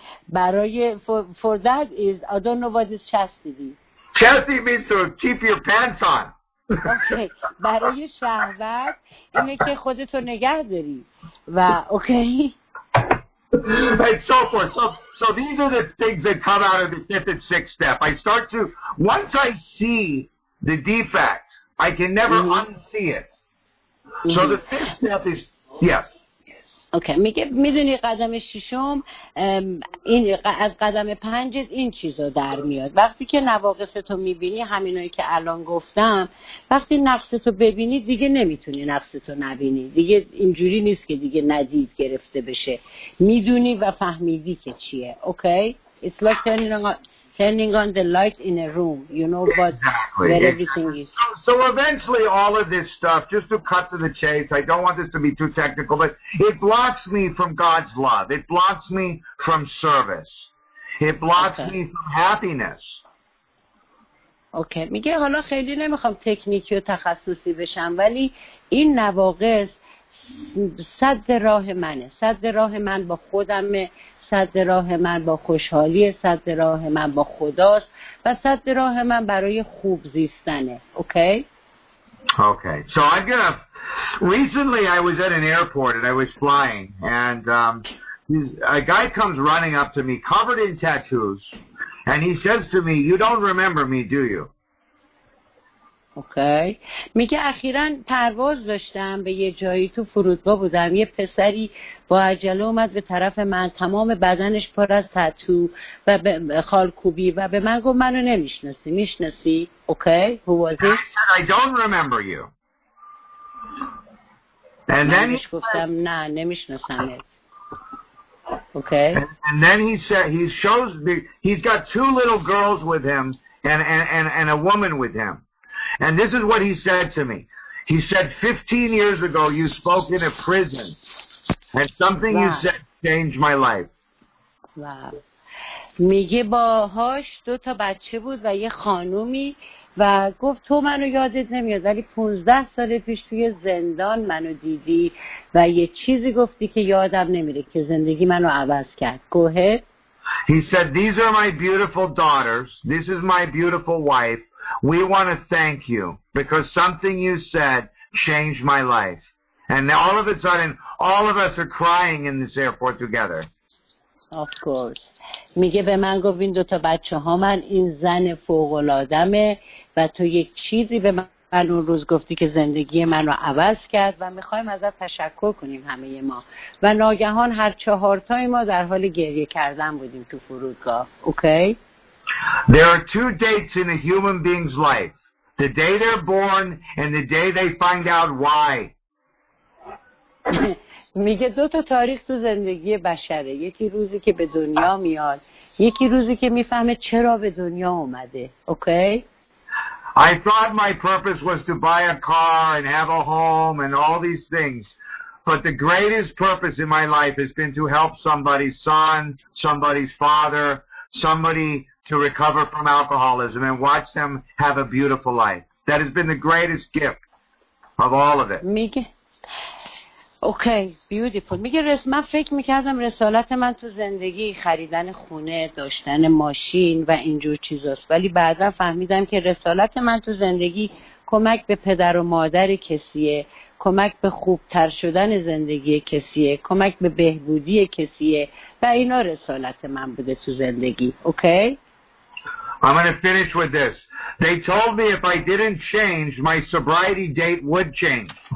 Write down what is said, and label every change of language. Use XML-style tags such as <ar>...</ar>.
<fa>برای</fa> <en>for that is, I don't know what is chastity. Chastity means to keep your pants on. Okay.</en> <fa>برای شهوت اینه که خودتو نگه داری و اوکی.</fa> <en>So these are the things that come out of the fifth and sixth step. I start to, once I see the defect, I can never unsee it. So the fifth step is, yes. Okay.</en> <fa>میگه میدونی قدم ششم این از قدم پنجت این چیزو در میاد. وقتی که نواقصتو میبینی، همینایی که الان گفتم، وقتی نقصتو ببینی دیگه نمیتونی نقصتو نبینی. دیگه اینجوری نیست که دیگه ندید گرفته بشه. میدونی و فهمیدی که چیه. اوکی.</fa> <en>It's like turning on turning on the light in a room, you know, but exactly. Where everything is. So eventually all of this stuff, just to cut to the chase, I don't want this to be too technical, but it blocks me from God's love. It blocks me from service. It blocks me from happiness.</en> <fa>اوکی میگه حالا خیلی نمیخوام تکنیکی و تخصصی بشم ولی این نواقص صد راه منه، صد راه من با خودمه، صد راه من با خوشحالی، صد راه من با خداست و صد راه من برای خوب زیستنه.</fa> <en>Okay okay so I'm gonna recently I was at an airport and I was flying and a guy comes running up to me covered in tattoos. And he says to me, "You don't remember me, do you?" Okay.</en> <fa>میگه اخیراً پرواز داشتم به یه جایی تو فرودگاه بودم. یه پسری با عجله اومد به طرف من، تمام بدنش پر از تاتو و خالکوبی و به من گفت منو نمی‌شناسی. می‌شناسی؟</fa> <en>Okay. Who was it? I said, "I don't remember you." And then</en> <fa>he گفتم نه، نمی‌شناسمت. Okay.</fa> <en>And then he said he shows me, he's got two little girls with him and a woman with him. And this is what he said to me. He said 15 years ago you spoke in a prison and something wow. you said changed my life. Wow.</en> <fa>میگه باهاش دو تا بچه بود و یه خانومی و گفت تو منو یادت نمیاد ولی 15 سال پیش توی زندان منو دیدی و یه چیزی گفتی که یادم نمیره که زندگی منو عوض کرد.</fa> <en>Go ahead. He said, "These are my beautiful daughters. This is my beautiful wife. We want to thank you because something you said changed my life." And now all of a sudden, all of us are crying in this airport together. Of course.</en> <fa>میگه به من گفت این دوتا بچه ها من این زن فوق‌العاده‌مه و تو یک چیزی به من اون روز گفتی که زندگی من رو عوض کرد و میخوایم ازت تشکر کنیم همه ما و ناگهان هر چهارتای ما در حال گریه کردن بودیم تو فرودگاه.</fa> <en>Okay? There are two dates in a human being's life. The day they're born and the day they find out why.</en> <fa>میگه دو تا تاریخ تو زندگی بشره، یکی روزی که به دنیا میاد، یکی روزی که میفهمه چرا به دنیا اومده.</fa> <en>Okay I thought my purpose was to buy a car and have a home and all these things, but the greatest purpose in my life has been to help somebody's son, somebody's father, somebody to recover from alcoholism and watch them have a beautiful life. That has been the greatest gift of all of it.</en> <fa>میگه</fa> <en>okay beautiful</en> <fa>میگه من فکر میکردم رسالت من تو زندگی خریدن خونه، داشتن ماشین و اینجور چیزاست ولی بعدا فهمیدم که رسالت من تو زندگی کمک به پدر و مادر کسیه، کمک به خوبتر شدن زندگی کسیه، کمک به بهبودی کسیه و اینا رسالت من بوده تو زندگی.</fa> <en>Okay I'm going to finish with this. They told me if I didn't change my sobriety date would change.</en>